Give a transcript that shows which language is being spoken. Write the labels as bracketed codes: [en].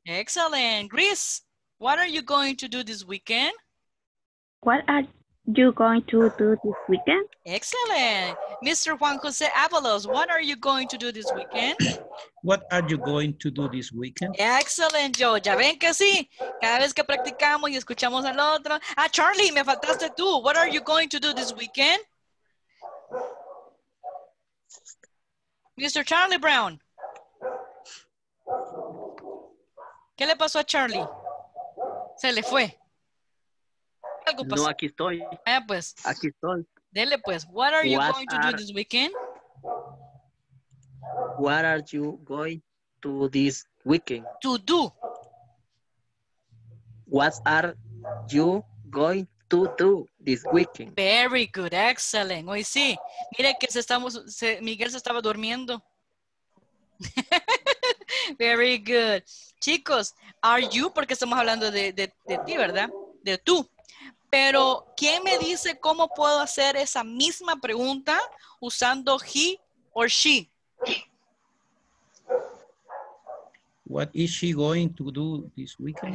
[en] Excellent. Grace, what are you going to do this weekend? What are you going to do this weekend? Excellent. Mr. Juan Jose Avalos, what are you going to do this weekend? What are you going to do this weekend? Excellent, [es] Joe. Ya ven que sí. Cada vez que practicamos y escuchamos al otro. Ah, Charlie, me faltaste tú. [en] What are you going to do this weekend? Mr. Charlie Brown. [es] ¿Qué le pasó a Charlie? Se le fue. Algo pasó. No, aquí estoy. Ah, pues. Aquí estoy. Dele, pues. [en] What are you going to do this weekend? What are you going to do this weekend? To do. What are you going to do this weekend? Very good. Excellent. [es] Hoy sí. Mire que Miguel se estaba durmiendo. [en] Very good. [es] Chicos, [en] are you, [es] porque estamos hablando de ti, ¿verdad? De tú. Pero, ¿quién me dice cómo puedo hacer esa misma pregunta usando he or she? [en] What is she going to do this weekend?